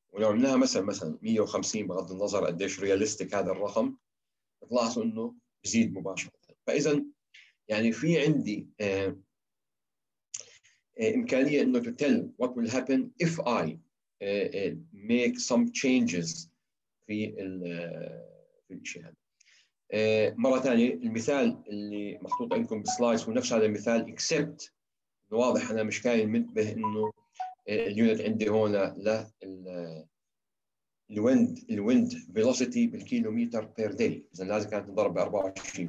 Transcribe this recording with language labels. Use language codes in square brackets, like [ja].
[ar] ولو عملناها مثلا 150 بغض النظر قديش رياليستيك هذا الرقم، بتلاحظوا انه بزيد مباشره. فاذا يعني في عندي إمكانية إنه [en] to tell what will happen if I make some changes [ar] في الشيء هذا. مرة ثانية المثال اللي محطوط عندكم بسلايس هو نفس هذا المثال، except إنه واضح أنا مش كاين منتبه إنه اليونت عندي هون لل الويند الويند فيلوسيتي بالكيلو متر بير داي، اذا لازم كانت تضرب ب 24.